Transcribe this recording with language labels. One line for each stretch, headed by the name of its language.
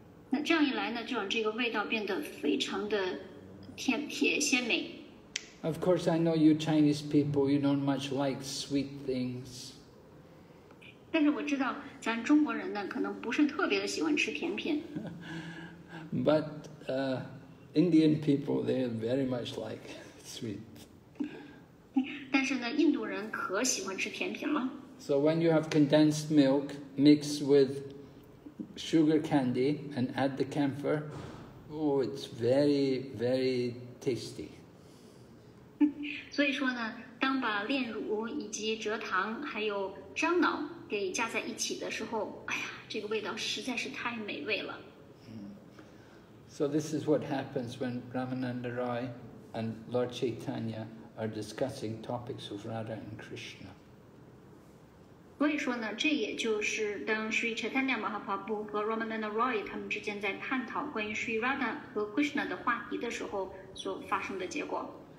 Chinese: 那这样一来呢，就让这个味道变得非常的鲜美。
English: Of course, I know you Chinese people, you don't much like sweet things.
Chinese: 但是我知道咱中国人呢，可能不是特别的喜欢吃甜品。
English: But Indian people, they very much like sweet.
Chinese: 但是呢，印度人可喜欢吃甜品了。
English: So when you have condensed milk mixed with sugar candy and add the camphor, oh, it's very, very tasty.
Chinese: 所以说呢，当把炼乳以及蔗糖还有樟脑给加在一起的时候，哎呀，这个味道实在是太美味了。
English: So this is what happens when Ramananda Rai and Lord Chaitanya are discussing topics of Radha and Krishna.
Chinese: 所以说呢，这也就是当 Sri Chaitanya Mahaprabhu 和 Ramananda Rai 他们之间在探讨关于 Sri Radha 和 Krishna 的话题的时候所发生的结果。